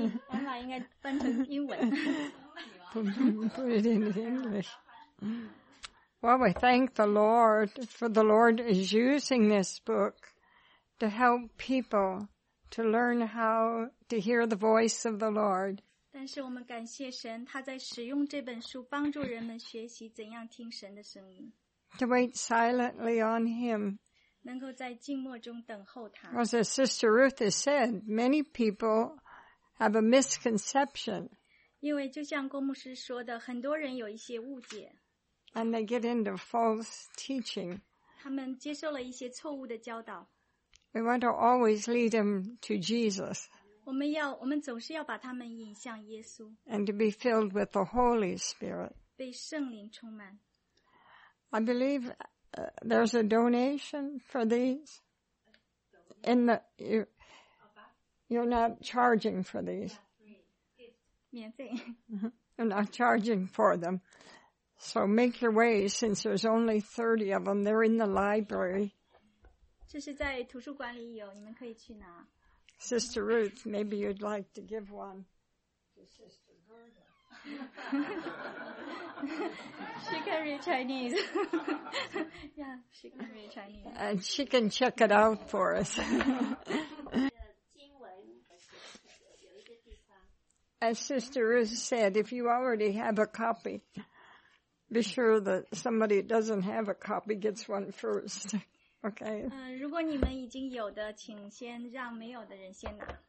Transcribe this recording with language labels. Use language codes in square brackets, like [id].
[zh] 本来应该翻成英文。 [en] Put it in English. Well, we thank the Lord for the Lord is using this book to help people to learn how to hear the voice of the Lord. [zh] 但是我们感谢神，他在使用这本书帮助人们学习怎样听神的声音。 [en] To wait silently on Him. [zh] 能够在静默中等候他。 [en] As Sister Ruth has said, many people have a misconception. [zh] 因为就像郭牧师说的，很多人有一些误解。 [en] And they get into false teaching. [zh] 他们接受了一些错误的教导。 [en] We want to always lead them to Jesus. [zh] 我们总是要把他们引向耶稣。 [en] And to be filled with the Holy Spirit. [zh] 被圣灵充满。 [en] I believe... there's a donation for these. In the, you're not charging for these. [zh] 免费。 [en] You're not charging for them. So make your way, since there's only 30 of them, they're in the library. [zh] 这是在图书馆里有，你们可以去拿。 [en] Sister Ruth, maybe you'd like to give one. She can read Chinese. Yeah, she can read Chinese. And she can check it out for us. As Sister Ruth said, if you already have a copy, be sure that somebody who doesn't have a copy gets one first. Okay. [zh] 如果你们已经有的，请先让没有的人先拿。